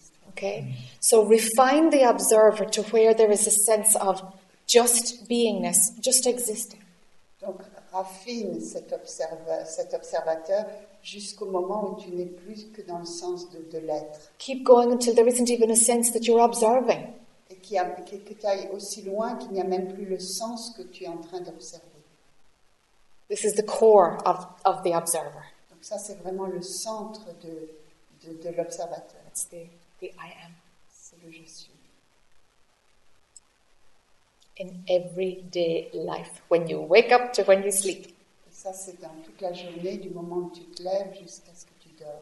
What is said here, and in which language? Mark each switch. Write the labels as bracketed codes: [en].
[en] Okay, so refine the observer to where there is a sense of just beingness, just existing. [fr] Donc, raffine cet observateur jusqu'au moment où tu n'es plus que dans le sens de l'être. [en] Keep going until there isn't even a sense that you're observing. [fr] Et que tu ailles aussi loin qu'il n'y a même plus le sens que tu es en train d'observer. [en] This is the core of the observer. [fr] Donc ça, c'est vraiment le centre de l'observateur. [en] It's the I am. [fr] C'est le je suis. [en] In everyday life, when you wake up to when you sleep. [fr] Et ça, c'est dans toute la journée, du moment où tu te lèves jusqu'à ce que tu dors.